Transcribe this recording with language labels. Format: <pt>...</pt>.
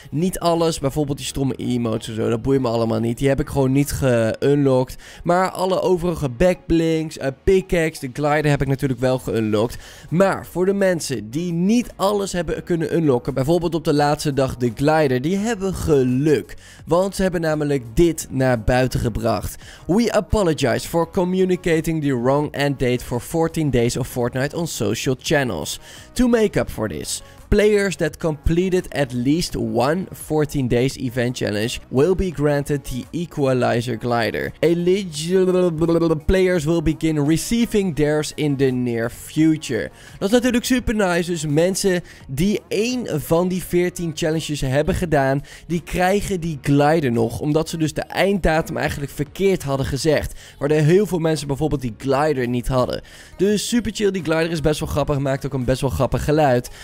<nl>Niet alles, bijvoorbeeld die stomme emotes en zo, dat boeit me allemaal niet. Die heb ik gewoon niet geunlocked. Maar alle overige backblink, pickaxe, de glider heb ik natuurlijk wel geunlocked. Maar voor de mensen die niet alles hebben kunnen unlocken, bijvoorbeeld op de laatste dag de glider, die hebben geluk. Want ze hebben namelijk dit naar buiten gebracht.</nl> <en>We apologize for communicating the wrong end date for 14 days of Fortnite on social channels. To make up for this, players that completed at least one 14 days event challenge will be granted the Equalizer Glider. Eligible players will begin receiving theirs in the near future.</en> <nl>Dat is natuurlijk super nice, dus mensen die één van die 14 challenges hebben gedaan, die krijgen die glider nog, omdat ze dus de einddatum eigenlijk verkeerd hadden gezegd. Waar er heel veel mensen bijvoorbeeld die glider niet hadden. Dus super chill, die glider is best wel grappig, maakt ook een best wel grappig geluid.</nl>